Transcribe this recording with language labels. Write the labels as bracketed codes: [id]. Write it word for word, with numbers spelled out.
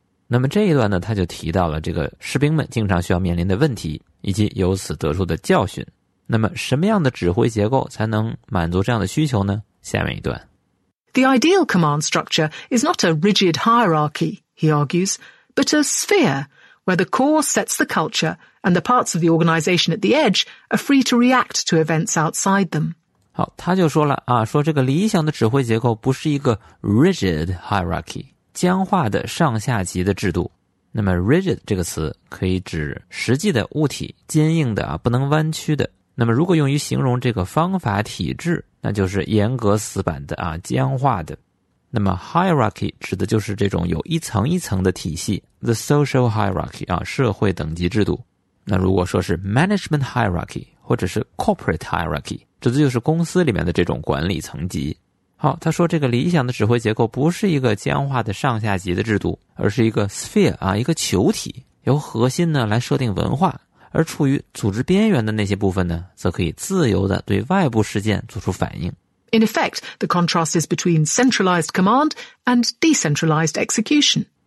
[zh] 那么这一段呢，他就提到了这个士兵们经常需要面临的问题，以及由此得出的教训。那么什么样的指挥结构才能满足这样的需求呢？下面一段。 [en] The ideal command structure is not a rigid hierarchy, he argues, but a sphere where the core sets the culture and the parts of the organization at the edge are free to react to events outside them. [zh] 好，他就说了啊，说这个理想的指挥结构不是一个 rigid hierarchy， 僵化的上下级的制度，那么 rigid 这个词可以指实际的物体，坚硬的啊，不能弯曲的。那么如果用于形容这个方法体制，那就是严格死板的啊，僵化的。那么 hierarchy 指的就是这种有一层一层的体系 the social hierarchy 啊，社会等级制度。那如果说是 management hierarchy 或者是 corporate hierarchy， 指的就是公司里面的这种管理层级。好，他说这个理想的指挥结构不是一个僵化的上下级的制度，而是一个 sphere 啊，一个球体，由核心呢来设定文化，而处于组织边缘的那些部分呢，则可以自由的对外部事件做出反应。 [en] In effect, the contrast is between centralized command and decentralized execution.